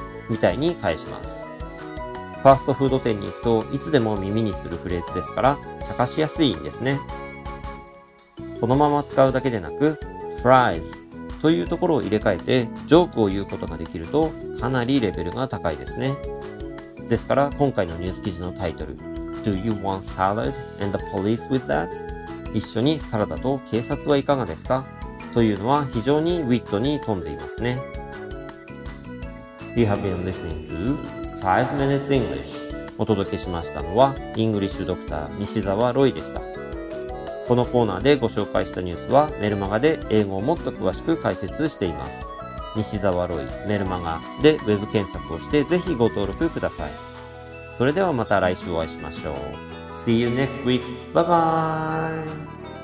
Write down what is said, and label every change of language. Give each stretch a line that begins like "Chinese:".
Japanese: みたいに返します。ファーストフード店に行くといつでも耳にするフレーズですから、茶化しやすいんですね。そのまま使うだけでなく、fries というところを入れ替えてジョークを言うことができるとかなりレベルが高いですね。ですから今回のニュース記事のタイトル、
English: Do you want salad and the police with that?
Japanese: 一緒にサラダと警察はいかがですか?というのは非常にウィットに富んでいますね。
English: You have been listening to 5 minutes English。
Japanese: お届けしましたのはイングリッシュドクター西澤ロイでした。このコーナーでご紹介したニュースはメルマガで英語をもっと詳しく解説しています。西澤ロイメルマガでウェブ検索をしてぜひご登録ください。それではまた来週お会いしましょう。
English: See you next week. Bye bye.